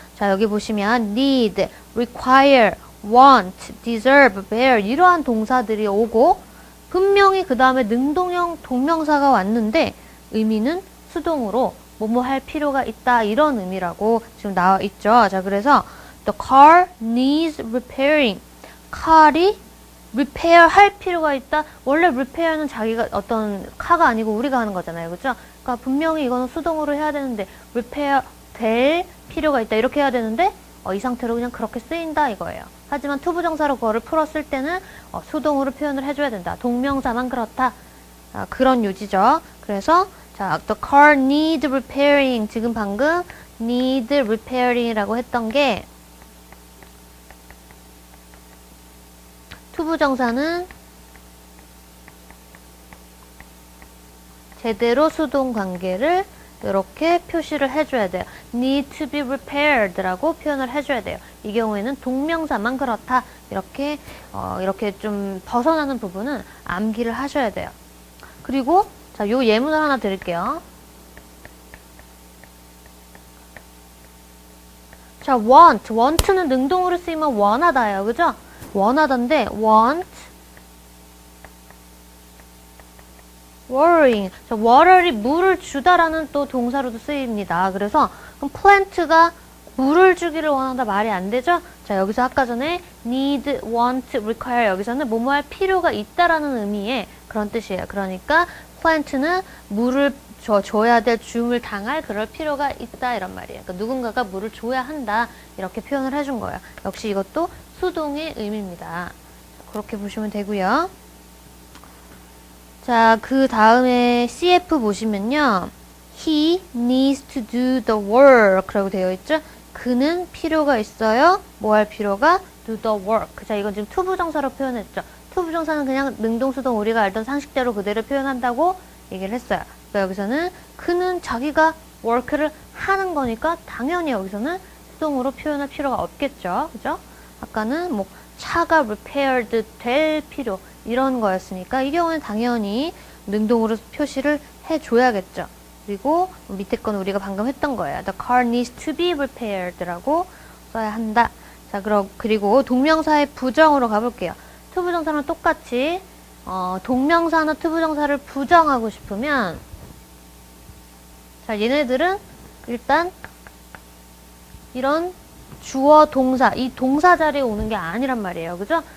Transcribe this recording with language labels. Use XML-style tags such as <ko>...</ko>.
<ko>자, 여기 보시면 need, require, want, deserve, bear 이러한 동사들이 오고 분명히 그 다음에 능동형 동명사가 왔는데 의미는 수동으로 뭐뭐 할 필요가 있다. 이런 의미라고 지금 나와 있죠. 자, 그래서</ko> <en>The car needs repairing.</en> <ko>칼이 repair 할 필요가 있다. 원래 repair는 자기가 어떤 카가 아니고 우리가 하는 거잖아요. 그죠? 그러니까 분명히 이거는 수동으로 해야 되는데 repair 될 필요가 있다. 이렇게 해야 되는데 이 상태로 그냥 그렇게 쓰인다 이거예요. 하지만 투부정사로 그거를 풀었을 때는 수동으로 표현을 해줘야 된다. 동명사만 그렇다. 그런 요지죠. 그래서 자,</ko> <en>The car needs repairing.</en> <ko>지금 방금</ko> <en>need repairing</en> <ko>이라고 했던 게 투부정사는 제대로 수동 관계를 이렇게 표시를 해줘야 돼요.</ko> <en>need to be repaired</en> <ko>라고 표현을 해줘야 돼요. 이 경우에는 동명사만 그렇다. 이렇게 좀 벗어나는 부분은 암기를 하셔야 돼요. 그리고, 자, 요 예문을 하나 드릴게요. 자, want. want는 능동으로 쓰이면 원하다예요. 그죠? 원하던데</ko> <en>want watering.</en> <ko>자, water이 물을 주다라는 또 동사로도 쓰입니다. 그래서 그럼 plant가 물을 주기를 원한다 말이 안 되죠? 자, 여기서 아까 전에 need, want, require 여기서는 뭐뭐 할 필요가 있다라는 의미의 그런 뜻이에요. 그러니까 plant는 물을 줘야 될 주물 당할 그럴 필요가 있다 이런 말이에요. 그러니까 누군가가 물을 줘야 한다 이렇게 표현을 해준 거예요. 역시 이것도 수동의 의미입니다. 그렇게 보시면 되고요. 자, 그 다음에 CF 보시면요.</ko> <en>He needs to do the work</en> <ko>라고 되어 있죠. 그는 필요가 있어요. 뭐 할 필요가?</ko> <en>do the work.</en> <ko>자, 이건 지금 투부정사로 표현했죠. 투부정사는 그냥 능동수동 우리가 알던 상식대로 그대로 표현한다고 얘기를 했어요. 그러니까 여기서는 그는 자기가 work를 하는 거니까 당연히 여기서는 수동으로 표현할 필요가 없겠죠. 그죠? 아까는 뭐 차가 repaired 될 필요 이런 거였으니까 이 경우는 당연히 능동으로 표시를 해줘야겠죠. 그리고 밑에 건 우리가 방금 했던 거예요.</ko> <en>The car needs to be repaired</en> <ko>라고 써야 한다. 자, 그리고 동명사의 부정으로 가볼게요. 투부정사랑 똑같이 동명사나 투부정사를 부정하고 싶으면, 자, 얘네들은 일단 이런 주어 동사, 이 동사 자리에 오는 게 아니란 말이에요. 그죠?</ko>